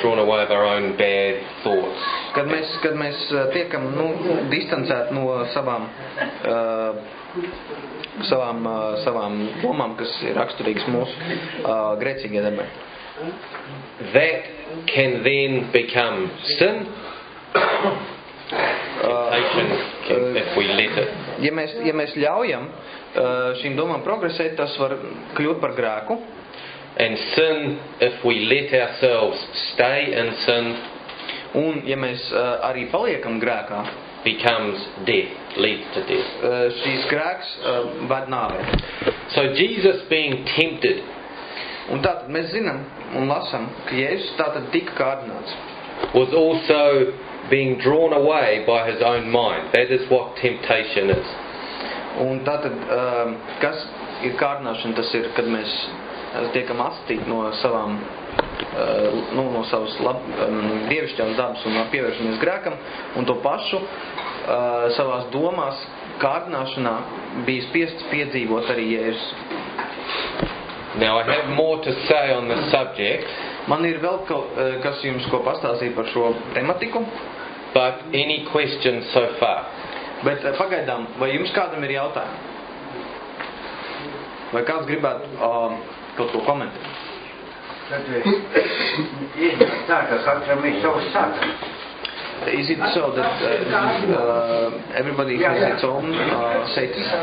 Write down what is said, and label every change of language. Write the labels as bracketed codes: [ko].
[en] Drawn away of our own bad thoughts. [lv] Kad mēs tiekam distancēti no savām domām, kas ir raksturīgas mūsu grēcīgajai dabai. [en] That can then become sin. Temptation, if we let it. [lv] Ja mēs ļaujam šīm domām progresēt, tas var kļūt par grēku. [en] And sin, if we let ourselves stay in sin. [lv] Un ja mēs arī paliekam grēkā, [en] becomes death, leads to death. [lv] Šīs grēks ved nāvē. [en] So Jesus being tempted. [lv] Un tātad mēs zinām un lasam, ka Jēzus tātad tika kārdināts. [en] Was also being drawn away by his own mind. That is what temptation is. [lv] Un tātad, kas ir kārdināšana, tas ir, kad mēs tiekam atstīti no savām, no savas dievišķās dabas un pievēršamies grēkam, un to pašu savās domās kārdināšanā bija spiests piedzīvot arī Jēzus. [en] Now I have more to say on this subject. [lv] Man ir vēl kas jums ko pastāstīt par šo tematiku. [en] But any questions so far? [lv] Bet pagaidām, vai jums kādam ir jautājumi? Vai kāds gribētu kaut ko komentēt? Tad mēs [en] Is it so that everybody has its own Satan?